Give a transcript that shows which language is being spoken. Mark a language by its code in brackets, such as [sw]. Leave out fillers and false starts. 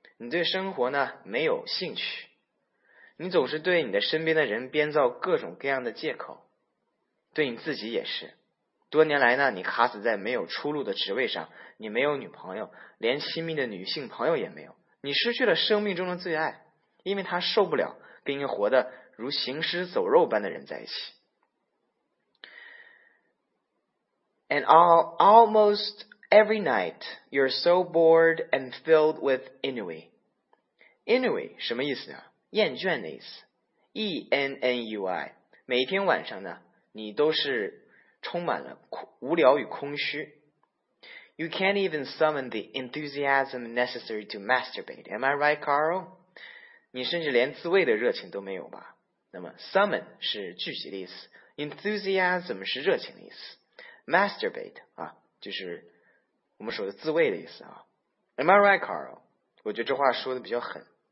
[zh] 你对生活呢没有兴趣，你总是对你的身边的人编造各种各样的借口，对你自己也是。多年来呢，你卡死在没有出路的职位上，你没有女朋友，连亲密的女性朋友也没有，你失去了生命中的最爱，因为他受不了跟一个活得如行尸走肉般的人在一起。 [en] And almost every night, you're so bored and filled with ennui. [zh] Ennui 什么意思呢？厌倦的意思。E-N-N-U-I. 每天晚上呢，你都是充满了无聊与空虚。 [en] You can't even summon the enthusiasm necessary to masturbate. Am I right, Carl? [zh] 你甚至连自慰的热情都没有吧？那么 summon 是聚集的意思， enthusiasm 是热情的意思， masturbate 啊，就是我们说的自慰的意思啊。 [en] Am I right, Carl? [zh] 我觉得这话说的比较狠。